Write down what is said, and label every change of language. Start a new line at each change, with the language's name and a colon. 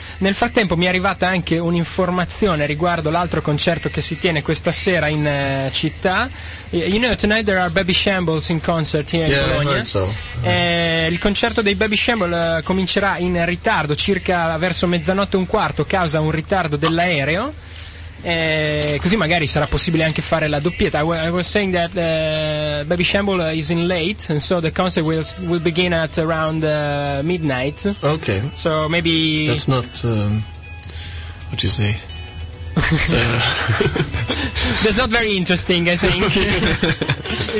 Italian: Nel frattempo mi è arrivata anche un'informazione riguardo l'altro concerto che si tiene questa sera in città.
English: You know, tonight there are Baby Shambles in concert here in Bologna. I heard so.
Italian: Il concerto dei Baby Shambles comincerà in ritardo, circa verso mezzanotte un quarto, causa un ritardo dell'aereo. Così magari sarà possibile anche fare la doppietta.
English: I was saying that Baby Shambles is in late, and so the concert will begin at around midnight. Okay. So maybe that's not what you say. That's not very interesting, I think.